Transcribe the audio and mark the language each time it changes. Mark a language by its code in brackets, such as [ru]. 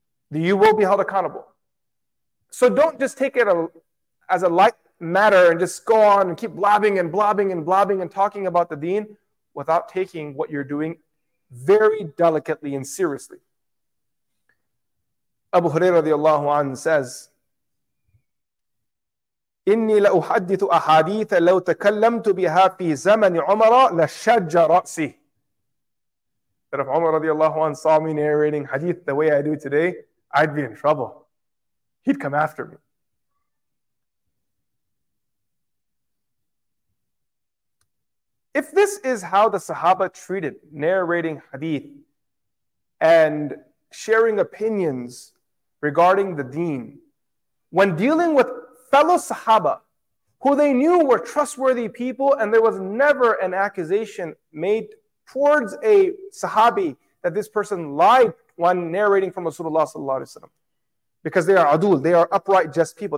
[en] You will be held accountable. So don't just take it as a light matter and just go on and keep blabbing and blabbing and blabbing and talking about the deen without taking what you're doing very delicately and seriously. [ar] Abu Hurairah radiallahu anhu [en] says, [ar] إني لأحدث أحاديث لو تكلمت بها في زمن عمر لشج رأسي. [en] That if Umar radiallahu anhu saw me narrating hadith the way I do today, I'd be in trouble. He'd come after me. If this is how the Sahaba treated narrating hadith and sharing opinions regarding the deen, when dealing with fellow Sahaba, who they knew were trustworthy people, and there was never an accusation made towards a Sahabi that this person lied when narrating from Rasulullah sallallahu alaihi wasallam, because they are adul, they are upright, just people.